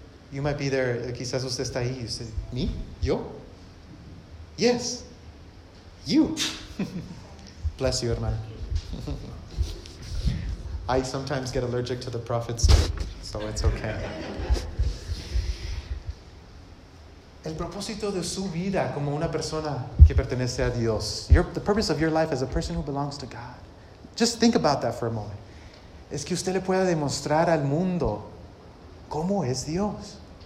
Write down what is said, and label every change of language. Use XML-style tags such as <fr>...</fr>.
<en>You might be there,</en> <es>quizás usted está ahí,</es> <en>you say, me? Yo? Yes. You. Bless you, hermano. I sometimes get allergic to the prophets, so it's okay.</en> <es>El propósito de su vida como una persona que pertenece a Dios.</es> <en>The purpose of your life as a person who belongs to God. Just think about that for a moment.</en> <es>Es que usted le pueda demostrar al mundo cómo es Dios.</es>